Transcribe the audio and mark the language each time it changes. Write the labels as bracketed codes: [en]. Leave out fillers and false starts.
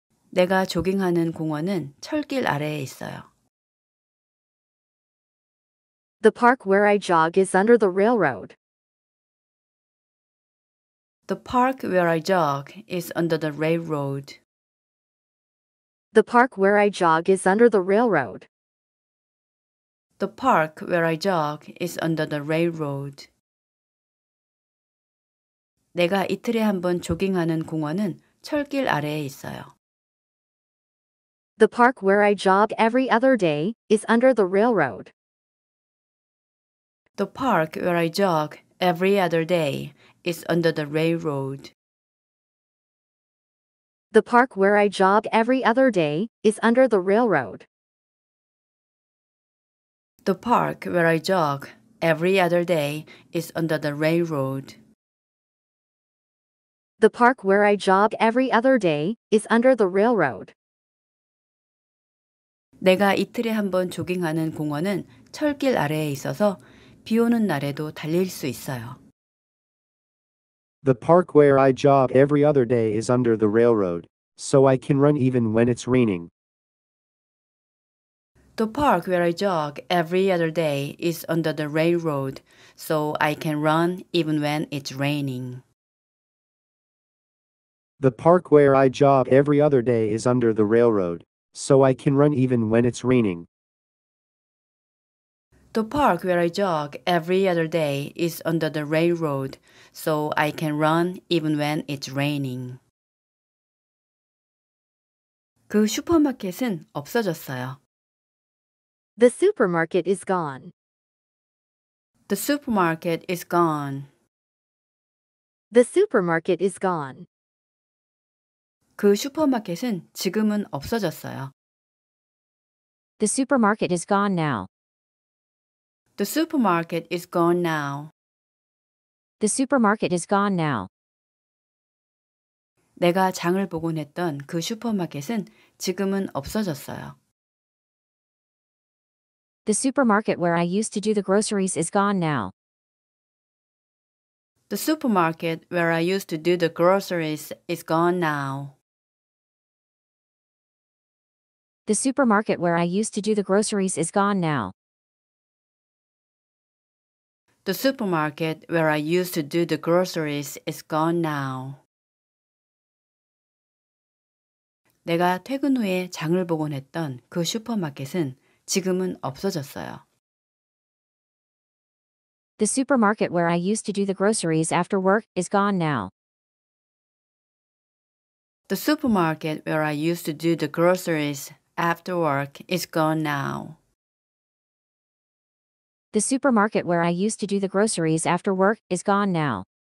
[ko] 내가 조깅하는 공원은 철길 아래에 있어요. [en] The park where I jog is under the railroad. The park where I jog is under the railroad. The park where I jog is under the railroad. The park where I jog is under the railroad. [ko] 내가 이틀에 한 번 조깅하는 공원은 철길 아래에 있어요. [en] The park where I jog every other day is under the railroad. The park where I jog every other day is under the railroad. The park where I jog every other day is under the railroad. The park where I jog every other day is under the railroad. The park where I jog every other day is under the railroad. [ko] 내가 이틀에 한 번 조깅하는 공원은 철길 아래에 있어서 비 오는 날에도 달릴 수 있어요. [en] The park where I jog every other day is under the railroad, so I can run even when it's raining. The park where I jog every other day is under the railroad, so I can run even when it's raining. The park where I jog every other day is under the railroad, so I can run even when it's raining. The park where I jog every other day is under the railroad, so I can run even when it's raining. [ko] 그 슈퍼마켓은 없어졌어요. [en] The supermarket is gone. The supermarket is gone. The supermarket is gone. [ko] 그 슈퍼마켓은 지금은 없어졌어요. [en] The supermarket is gone now. The supermarket is gone now. The supermarket is gone now. [ko] 내가 장을 보고 냈던 그 슈퍼마켓은 지금은 없어졌어요. [en] The supermarket where I used to do the groceries is gone now. The supermarket where I used to do the groceries is gone now. The supermarket where I used to do the groceries is gone now. The supermarket where I used to do the groceries is gone now. [ko] 내가 퇴근 후에 장을 보곤 했던 그 슈퍼마켓은 지금은 없어졌어요. [en] The supermarket where I used to do the groceries after work is gone now. The supermarket where I used to do the groceries after work is gone now. The supermarket where I used to do the groceries after work is gone now.